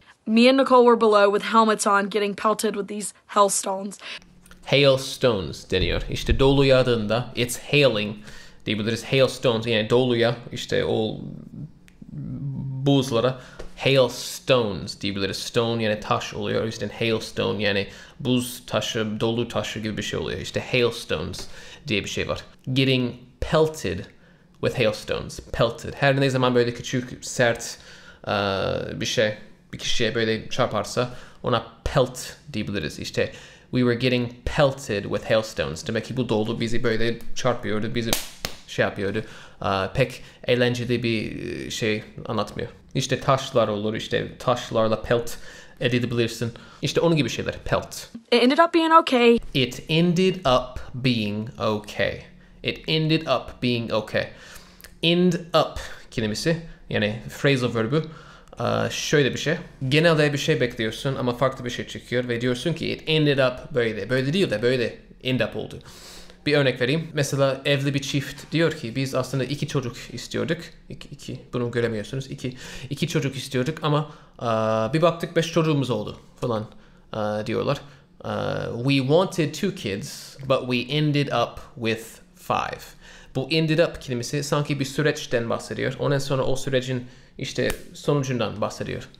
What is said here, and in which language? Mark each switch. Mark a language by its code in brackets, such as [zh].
[en] Me and Nicole were below with helmets on, getting pelted with these hailstones. [tr] Hailstones deniyor. İşte dolu yağdığında, [en] it's hailing [tr] diyebiliriz. Hailstones, yani doluya, işte o buzlara hailstones diyebiliriz. Stone yani taş oluyor. İşte hailstone yani buz taşı, dolu taşı gibi bir şey oluyor. İşte hailstones diye bir şey var. [en] Getting pelted with hailstones. [tr] Pelted. Her ne zaman böyle küçük, sert bir şey, bir kişiye böyle çarparsa ona pelt diyebiliriz. [en] İşte we were getting pelted with hailstones. [tr] Demek ki bu dolu bizi böyle çarpıyordu, bizi şey yapıyordu. Pek eğlenceli bir şey anlatmıyor. İşte taşlar olur, işte taşlarla pelt edilebilirsin. İşte onun gibi şeyler, pelt. [en] It ended up being okay. It ended up being okay. It ended up being okay. [tr] End up kelimesi, yani phrasal verbü. Şöyle bir şey. Genelde bir şey bekliyorsun ama farklı bir şey çıkıyor ve diyorsun ki [en] it ended up [tr] böyle. Böyle değil de böyle end up oldu. Bir örnek vereyim. Mesela evli bir çift diyor ki biz aslında iki çocuk istiyorduk. İki bunu göremiyorsunuz. İki çocuk istiyorduk ama bir baktık beş çocuğumuz oldu falan diyorlar. [en] We wanted two kids but we ended up with five. [tr] Bu ended up kelimesi sanki bir süreçten bahsediyor. Ondan sonra o sürecin işte sonucundan bahsediyor.